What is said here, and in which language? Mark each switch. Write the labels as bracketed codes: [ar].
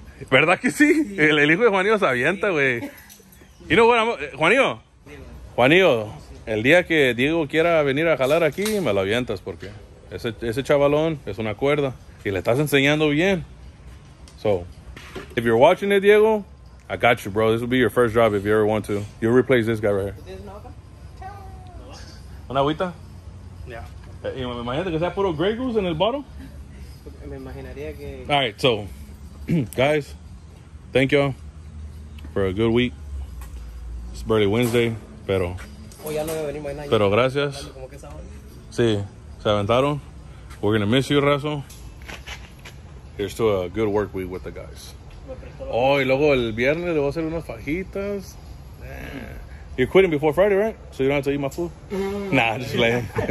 [es] ¿Verdad que sí? El hijo de Juanío se avienta, güey. Sí. [en] You know what? [es] Juanío, el día que Diego quiera venir a jalar aquí, me lo avientas porque ese chavalón es una cuerda y le estás enseñando bien. [en] So, If you're watching it, Diego, I got you, bro. This will be your first job if you ever want to. You'll replace this guy right here. [es] ¿Una agüita? [en] Yeah. [es] Imagínate que se ha puesto Grey Goose en el bottom. Me imaginaría que... [en] All right, so, guys, thank y'all for a good week. It's barely Wednesday, [es] pero... Pero gracias. Sí, se aventaron. [en] We're going to miss you, Razo. Here's to a good work week with the guys. [es] Oh, y luego el viernes le voy a hacer unas fajitas. [en] You're quitting before Friday, right? So you don't have to eat my food? Nah, just laying.